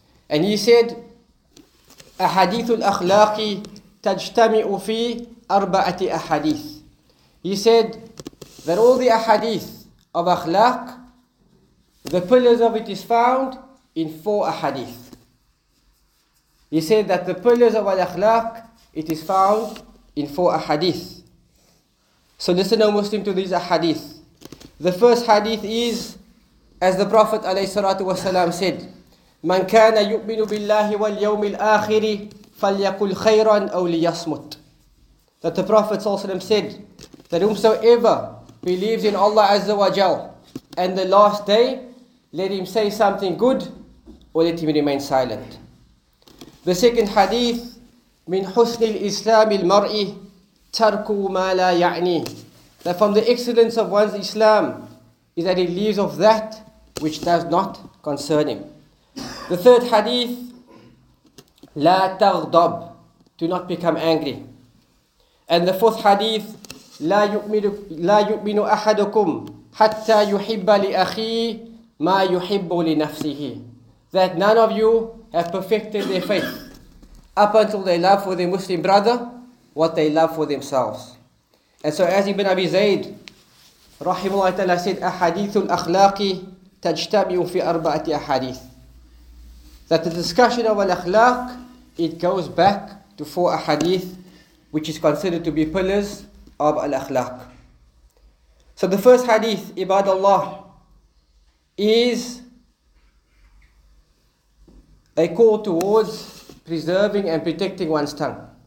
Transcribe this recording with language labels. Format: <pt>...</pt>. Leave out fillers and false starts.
<en>And he said,</en> <ar>أحاديث الأخلاق تجتمع في أربعة أحاديث.</ar> <en>He said that all the ahadith of akhlaq, the pillars of it is found in four ahadith. He said that the pillars of al-akhlaq, it is found in four ahadith. So listen, O Muslim, to these ahadith. The first hadith is, as the Prophet</en> <ar>عليه الصلاة والسلام</ar> <en>said,</en> <ar>من كان يؤمن بالله واليوم الآخر فليقل خيرا أو ليصمت.</ar> <en>That the Prophet صلى الله عليه وسلم said that whomsoever believes in Allah Azza wa Jal and the last day, let him say something good or let him remain silent. The second hadith,</en> <ar>من حسن الإسلام المرء ترك ما لا يعني.</ar> <en>That from the excellence of one's Islam is that he leaves off that which does not concern him. The third hadith,</en> <ar>لا تغضب,</ar> <en>do not become angry. And the fourth hadith,</en> <ar>لا يؤمن أحدكم حتى يحب لأخي ما يحب لنفسه.</ar> <en>That none of you have perfected their faith up until they love for their Muslim brother what they love for themselves. And so as Ibn Abi Zayd, rahimahullah ta'ala, said,</en> <ar>أحاديث الأخلاق تجتمع في أربعة أحاديث.</ar> <en>That the discussion of al-akhlaq, it goes back to four ahadith, which is considered to be pillars of al-akhlaq. So the first hadith, ibadallah, is a call towards preserving and protecting one's tongue.</en>